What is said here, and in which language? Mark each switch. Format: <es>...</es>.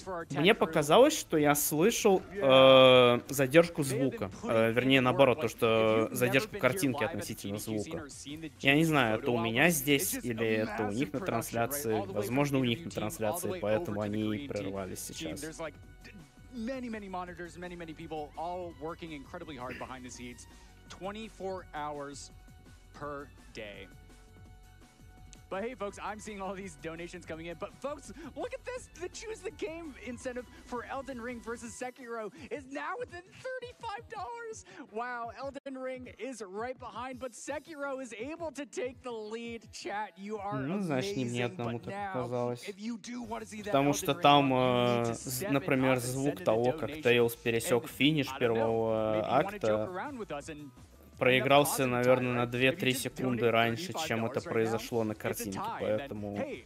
<ru>Мне показалось, что я слышал задержку звука. Вернее, наоборот, то, что задержку картинки относительно звука. Я не знаю, это у меня здесь или это у них на трансляции. Возможно, у них на трансляции, поэтому они и прервались сейчас.</ru> <en>Many monitors, many people all working incredibly hard behind the scenes, 24 hours per day. But hey, folks, I'm seeing all these donations coming in. But folks, look at this. The Choose the Game incentive for Elden Ring versus Sekiro is now within $35. Wow, Elden Ring is right behind, but Sekiro is able to take the lead. Chat, you are amazing.</en> <ru>Значит, не мне одному так показалось. Потому что там, например, звук того, как Тейлз пересек финиш первого акта, проигрался, наверное, на 2-3 секунды раньше, чем это произошло на картинке, поэтому...</ru>